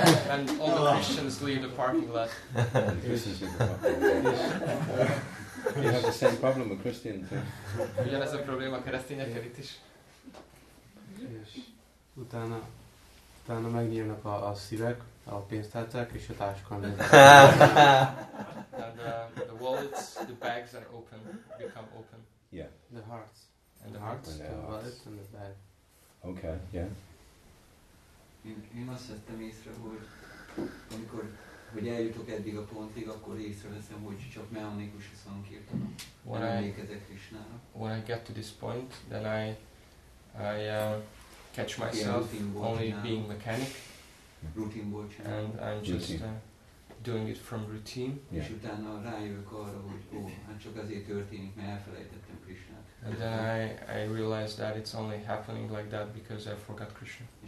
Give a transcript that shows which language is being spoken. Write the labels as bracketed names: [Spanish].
[English] And all the Christians leave the parking lot. Christians leave the parking lot. You have the same problem with Christians. [Hungarian] Ugyanez a probléma a keresztényekkel itt is. És utána megnyílnak a szívek, a pénztárcák és a táska. [English] And the wallets, the bags are open, become open. Yeah. The hearts. And the hearts, the wallets and the bag. Okay, yeah. [Hungarian] Én azt vettem észre, hogy amikor hogy eljutok eddig a pontig, akkor észreveszem, hogy csak mechanikus a szankirtana. [English] When [Hungarian] I emlékezek Krisnára. [English] When I get to this point, then I catch myself only being mechanic. [Hungarian] Routine volt. [English] And I'm just doing it from routine. [Hungarian] És utána rájövök arra, hogy hát csak azért történik, mert elfelejtettem Krisnát. [English] And then I realized that it's only happening like that because I forgot Krishna.